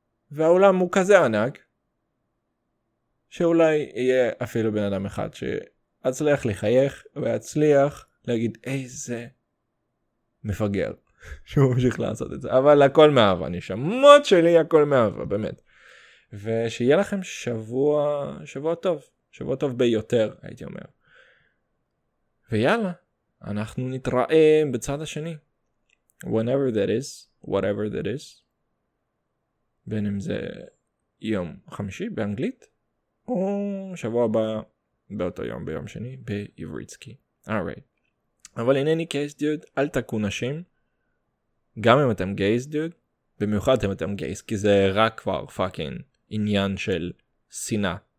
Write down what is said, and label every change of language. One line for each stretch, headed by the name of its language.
Hebrew: והעולם הוא כזה ענק, שאולי יהיה אפילו בן אדם אחד שאצליח לחייך, ואצליח להגיד איזה מפגר שהוא ממשיך לעשות את זה. אבל הכל מאהבה, נשמות שלי, הכל מאהבה, באמת. ושיהיה לכם שבוע טוב, שבוע טוב ביותר, הייתי אומר. ויאללה. אנחנו נתראה בצד השני.
English: Whenever that is, whatever that is.
Hebrew: בין אם זה יום חמישי באנגלית, או שבוע הבא באותו יום, ביום שני, בעבריצקי. Alright. אבל
English: in any case, dude,
Hebrew: אל תקו נשים. גם אם אתם גייז, dude, במיוחד אם אתם גייז, כי זה רק כבר fucking עניין של שנאה.